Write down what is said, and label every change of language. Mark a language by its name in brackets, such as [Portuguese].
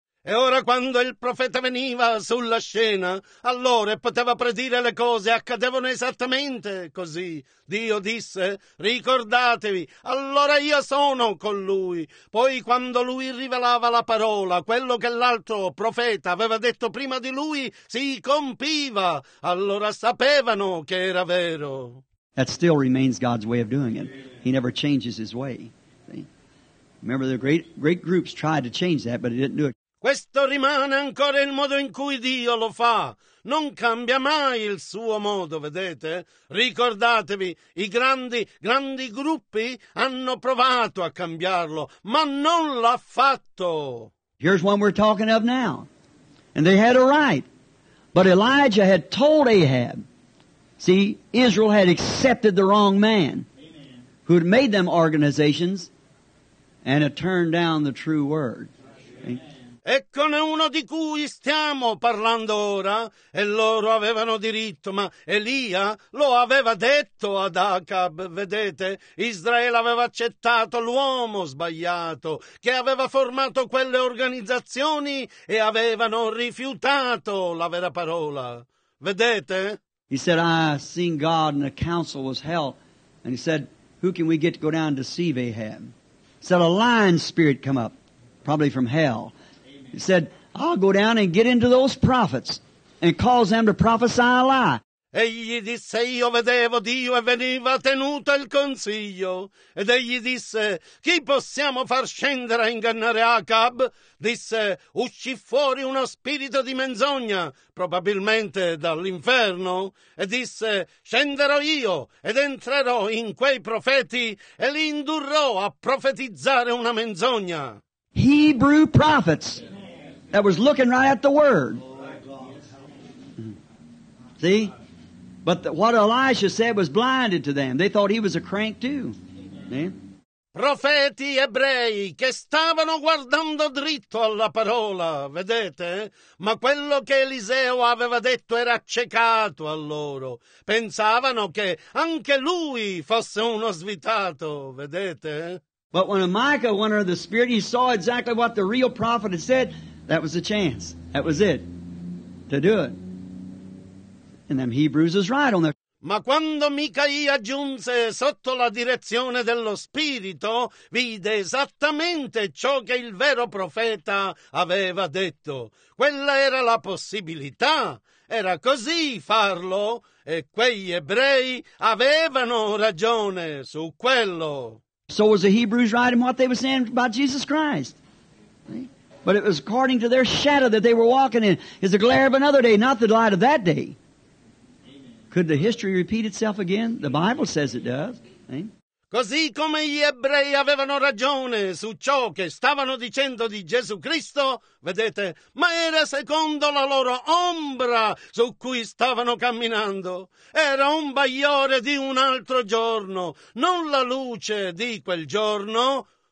[Italian] E ora quando il profeta veniva sulla scena, allora poteva predire le cose, accadevano esattamente così. Dio disse, ricordatevi, allora io sono con lui. Poi quando lui rivelava la parola, quello che l'altro profeta aveva detto prima di lui si compiva, allora sapevano che era vero. [English] That still remains God's way of doing it. He never changes his way. Remember the great groups tried to change that, but he didn't do it. [Italian] Questo rimane ancora il modo in cui Dio lo fa. Non cambia mai il suo modo, vedete? Ricordatevi, i grandi gruppi hanno provato a cambiarlo, ma non l'ha fatto. [English] Here's one we're talking of now. And they had a right. But Elijah had told Ahab. See, Israel had accepted the wrong man. Amen. Who had made them organizations and had turned down the true word. Amen. [Italian] Eccone uno di cui stiamo parlando ora, e loro avevano diritto, ma Elia lo aveva detto ad Acab, vedete? Israele aveva accettato l'uomo sbagliato, che aveva formato quelle organizzazioni e avevano rifiutato la vera parola. Vedete? [English] He said, I seen God and the council was held. And he said, who can we get to go down to see Ahab? He said, a lying spirit come up, probably from hell. He said, I'll go down and get into those prophets and cause them to prophesy a lie. [Italian] Egli disse, io vedevo Dio e veniva tenuto il consiglio. Ed egli disse, chi possiamo far scendere a ingannare Acab? Disse, uscì fuori uno spirito di menzogna, probabilmente dall'inferno. E disse, scenderò io ed entrerò in quei profeti e li indurrò a profetizzare una menzogna. [English] Hebrew prophets. That was looking right at the word. See? But what Elisha said was blinded to them. They thought he was a crank too. Amen. [Italian] Profeti ebrei che stavano guardando dritto alla parola, vedete? Ma quello che Eliseo aveva detto era accecato a loro. Pensavano che anche lui fosse uno svitato, vedete? [English] But when Micah went under the Spirit, he saw exactly what the real prophet had said. That was the chance. That was it. To do it. And them Hebrews is right on there. [Italian] Ma quando Micaia giunse sotto la direzione dello Spirito, vide esattamente ciò che il vero profeta aveva detto. Quella era la possibilità. Era così farlo. E quegli ebrei avevano ragione su quello. [English] So was the Hebrews right in what they were saying about Jesus Christ. But it was according to their shadow that they were walking in. It's the glare of another day, not the light of that day. Could the history repeat itself again? The Bible says it does. [Italian] Così come gli ebrei avevano ragione su ciò che stavano dicendo di Gesù Cristo, vedete, ma era secondo la loro ombra su cui stavano camminando. Era un bagliore di un altro giorno, non la luce di quel giorno.